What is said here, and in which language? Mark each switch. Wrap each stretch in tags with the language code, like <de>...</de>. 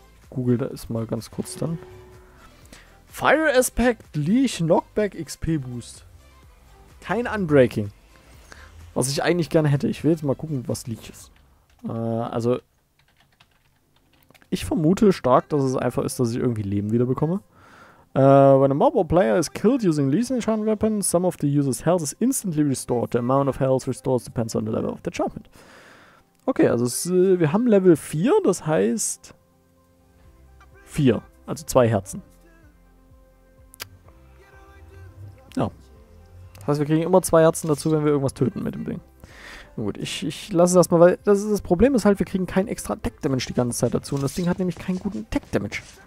<de>Google da ist mal ganz kurz dann. Fire Aspect Leech Knockback XP Boost. Kein Unbreaking. Was ich eigentlich gerne hätte. Ich will jetzt mal gucken, was Leech ist. Also. Ich vermute stark, dass es einfach ist, dass ich irgendwie Leben wiederbekomme.</de> <en>When a mob or player is killed using Leech Enchantment Weapon, some of the user's health is instantly restored. The amount of health restored depends on the level of the enchantment.</en> <de>Okay, also wir haben Level 4, das heißt 4, also 2 Herzen. Ja. Das heißt, wir kriegen immer 2 Herzen dazu, wenn wir irgendwas töten mit dem Ding. Gut, ich lasse das mal, weil das Problem ist halt, wir kriegen keinen extra Attack Damage die ganze Zeit dazu und das Ding hat nämlich keinen guten Attack Damage.</de>